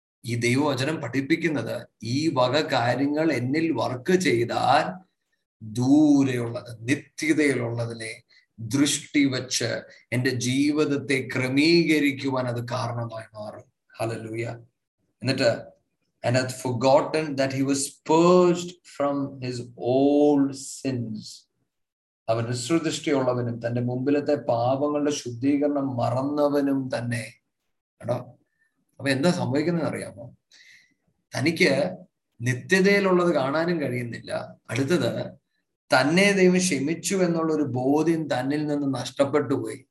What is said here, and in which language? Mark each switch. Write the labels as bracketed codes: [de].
[ml] ഈ ദൈവവചനം പഠിപ്പിക്കുന്നത് ഈ വക കാര്യങ്ങൾ എന്നിൽ വർക്ക് ചെയ്താൽ ദൂരെയുള്ളത് നിത്യതയിലുള്ളതിനെ ദൃഷ്ടി വച്ച് എൻ്റെ ജീവിതത്തെ ക്രമീകരിക്കുവാൻ അത് കാരണമായി മാറും. ഹല്ലേലൂയ. എന്നിട്ട് [en] And hath forgotten that he was purged from his old sins. [ml] അവന് സുദൃഷ്ടിയുള്ളവനും തന്റെ മുമ്പിലത്തെ പാപങ്ങളുടെ ശുദ്ധീകരണം മറന്നവനും തന്നെ. കേട്ടോ, അപ്പൊ എന്താ സംഭവിക്കുന്നത് അറിയാമോ? തനിക്ക് നിത്യതയിലുള്ളത് കാണാനും കഴിയുന്നില്ല. അടുത്തത്, തന്നെ ദൈവം ക്ഷമിച്ചു എന്നുള്ള ഒരു ബോധ്യം തന്നിൽ നിന്ന് നഷ്ടപ്പെട്ടു പോയി.